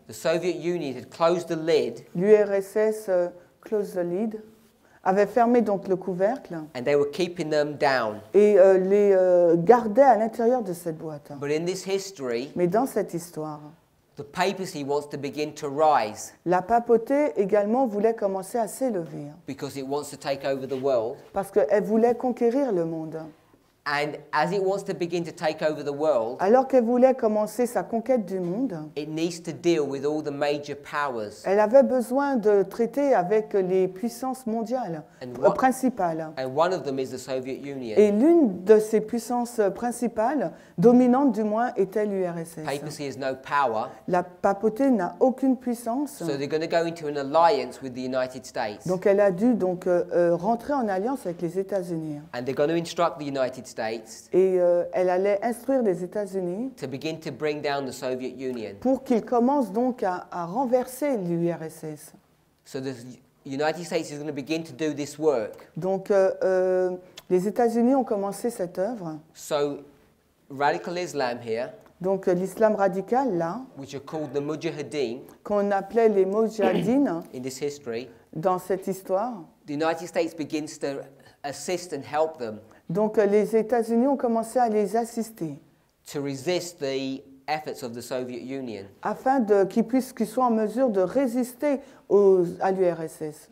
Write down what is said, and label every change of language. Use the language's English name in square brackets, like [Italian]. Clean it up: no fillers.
[English] The Soviet Union had closed the lid. [French] L'URSS [English] closed the lid, [French] avait fermé donc le couvercle. [English] And they were keeping them down. [French] Et les gardait à l'intérieur de cette boîte. [English] But in this history, [French] mais dans cette histoire, [English] the papacy wants to begin to rise. [French] La papauté également voulait commencer à s'élever. [English] Because it wants to take over the world. [French] Parce qu'elle voulait conquérir le monde. [English] And as it wants to begin to take over the world, [French] alors qu'elle voulait commencer sa conquête du monde, [English] it needs to deal with all the major powers. [French] Elle avait besoin de traiter avec les puissances mondiales principales. [English] And one of them is the Soviet Union. [French] Et l'une de ces puissances principales, dominantes du moins, était l'URSS. [English] Papacy has no power. [French] La papauté n'a aucune puissance. [English] So they're going to go into an alliance with the United States. [French] Donc elle a dû donc rentrer en alliance avec les États-Unis. [English] And they're going to instruct the United States. [French] Et elle allait instruire les États-Unis [English] to begin to bring down the Soviet Union. [French] Pour qu'ils commencent donc à renverser l'URSS. [English] So the United States is going to begin to do this work. [French] Donc les États-Unis ont commencé cette œuvre. [English] So radical Islam here. [French] Donc l'islam radical là. [English] Which are called the Mujahideen. [French] Qu'on appelait les Mujahideen. [English] In this history. [French] Dans cette histoire. [English] The United States begins to assist and help them. [French] Donc les États-Unis ont commencé à les assister [English] to resist the efforts of the Soviet Union. [French] Afin qu'ils soient en mesure de résister à l'URSS.